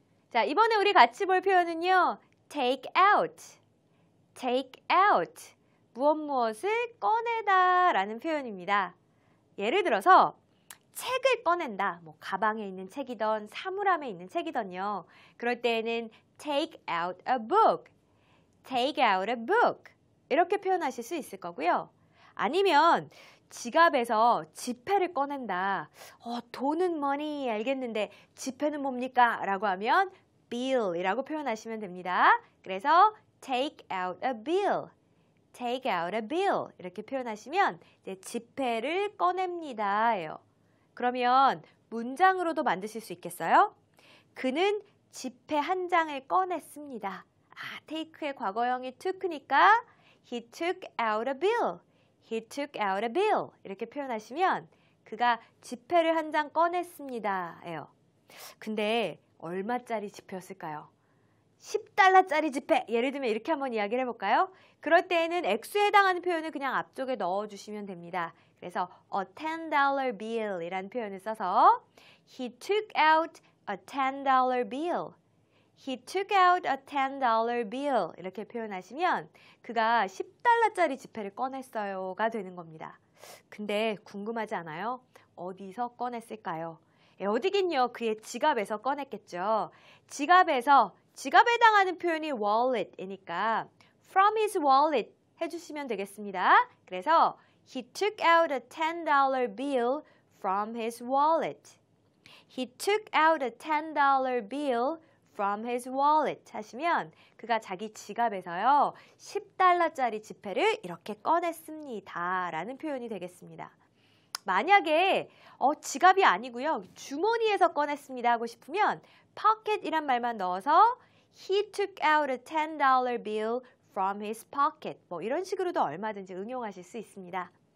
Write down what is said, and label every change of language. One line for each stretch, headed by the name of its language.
Korean: 자, 이번에 우리 같이 볼 표현은요.
English: Take out. Take out.
Korean: 무엇 무엇을 꺼내다 라는 표현입니다. 예를 들어서 책을 꺼낸다. 뭐 가방에 있는 책이던 사물함에 있는 책이던요. 그럴 때에는
English: take out a book. Take out a book.
Korean: 이렇게 표현하실 수 있을 거고요. 아니면 지갑에서 지폐를 꺼낸다. 돈은 money 알겠는데 지폐는 뭡니까? 라고 하면 bill이라고 표현하시면 됩니다. 그래서
English: take out a bill. Take out a bill.
Korean: 이렇게 표현하시면 이제 지폐를 꺼냅니다. 그러면 문장으로도 만드실 수 있겠어요? 그는 지폐 한 장을 꺼냈습니다.
English: 아,
Korean: take의 과거형이 took니까
English: he took out a bill. He took out a bill.
Korean: 이렇게 표현하시면 그가 지폐를 한 장 꺼냈습니다. 근데 얼마짜리 지폐였을까요? 10달러짜리 지폐! 예를 들면 이렇게 한번 이야기를 해볼까요? 그럴 때에는 액수에 해당하는 표현을 그냥 앞쪽에 넣어주시면 됩니다.
English: 그래서 a $10 bill
Korean: 이란 표현을 써서
English: He took out a $10 bill. He took out a $10 bill.
Korean: 이렇게 표현하시면 그가 10달러짜리 지폐를 꺼냈어요가 되는 겁니다. 근데 궁금하지 않아요? 어디서 꺼냈을까요? 예, 어디긴요. 그의 지갑에서 꺼냈겠죠. 지갑에 해당하는 표현이 wallet이니까
English: from his wallet
Korean: 해주시면 되겠습니다. 그래서
English: he took out a $10 bill from his wallet. He took out a $10 bill from his wallet
Korean: 하시면 그가 자기 지갑에서요 10달러짜리 지폐를 이렇게 꺼냈습니다 라는 표현이 되겠습니다. 만약에 지갑이 아니고요 주머니에서 꺼냈습니다 하고 싶으면 pocket이란 말만 넣어서
English: he took out a $10 bill from his pocket
Korean: 뭐 이런 식으로도 얼마든지 응용하실 수 있습니다.